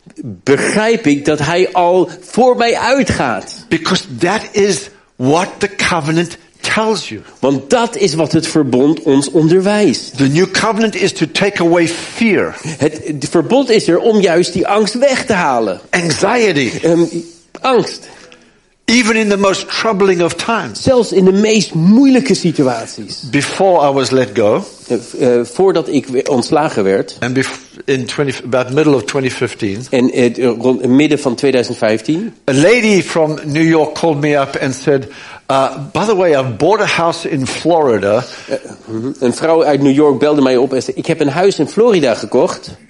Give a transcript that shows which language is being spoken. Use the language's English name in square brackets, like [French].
[Dutch] Begrijp ik dat hij al voor mij uitgaat. [English] Because that is what the covenant tells you. [Dutch] Want dat is wat het verbond ons onderwijst. [English] The new covenant is to take away fear. [Dutch] Het verbond is er om juist die angst weg te halen. [English] Anxiety. [Dutch] Angst. [English] Even in the most troubling of times. [Dutch] Zelfs in de meest moeilijke situaties. [English] Before I was let go. [Dutch] Voordat ik ontslagen werd. [English] And in about middle of 2015. [Dutch] En rond midden van 2015. [English] A lady from New York called me up and said, by the way, I've bought a house in Florida. [Dutch] Een vrouw uit New York belde mij op en zei, ik heb een huis in Florida gekocht.